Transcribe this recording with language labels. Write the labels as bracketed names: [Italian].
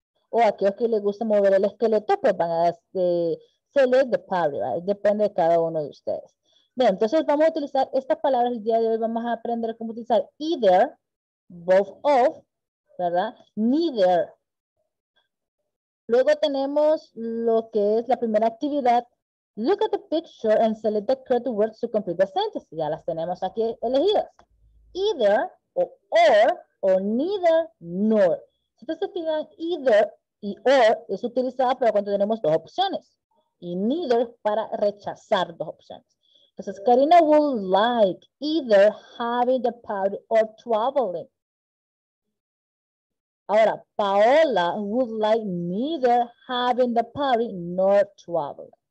[Spanish] O aquellos que les gusta mover el esqueleto, pues van a [English] select the party, [Spanish] ¿verdad? Depende de cada uno de ustedes. Bien, entonces vamos a utilizar estas palabras el día de hoy. Vamos a aprender cómo utilizar either, both of, ¿verdad? Neither. Luego tenemos lo que es la primera actividad. [English] Look at the picture and select the correct words to complete the sentence. [Spanish] Ya las tenemos aquí elegidas. Either, or neither, nor. Si ustedes se fijan, either y or es utilizada para cuando tenemos dos opciones. Y neither para rechazar dos opciones. Entonces, [English] Karina would like either having the party or traveling. [Spanish] Ahora, [English] Paola would like neither having the party nor traveling.